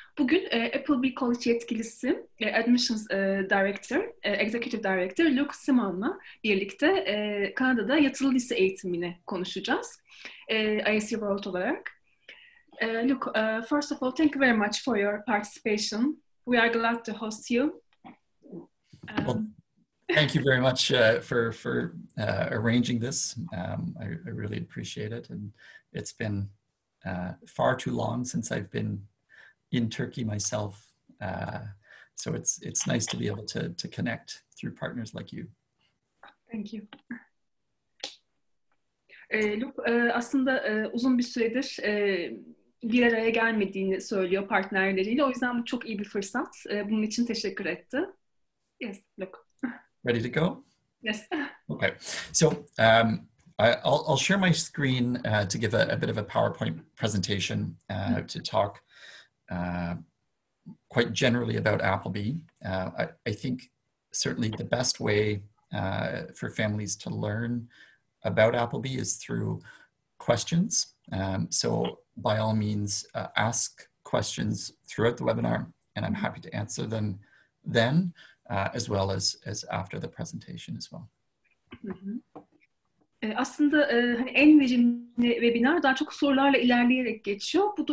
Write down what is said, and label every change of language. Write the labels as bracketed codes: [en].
[tr] Bugün Appleby College yetkilisi, Admissions Director, Executive Director Luke Simon'la birlikte Kanada'da yatılı lise eğitimini konuşacağız. ISU World olarak. [en] Luke, first of all, thank you very much for your participation. We are glad to host you. Thank you very much for arranging this. I really appreciate it. And it's been far too long since I've been in Turkey myself. So it's nice to be able to connect through partners like you. Thank you. [tr] Luke, aslında uzun bir süredir bir araya gelmediğini söylüyor partnerleriyle. O yüzden bu çok iyi bir fırsat. Bunun için teşekkür etti. [en] Yes, Luke. Ready to go? Yes. Okay. So I'll share my screen to give a bit of a PowerPoint presentation to talk quite generally about Appleby. I think certainly the best way for families to learn about Appleby is through questions. So by all means, ask questions throughout the webinar, and I'm happy to answer them then. As well as after the presentation as well. [tr] Aslında hani en verimli webinar daha çok sorularla ilerleyerek geçiyor.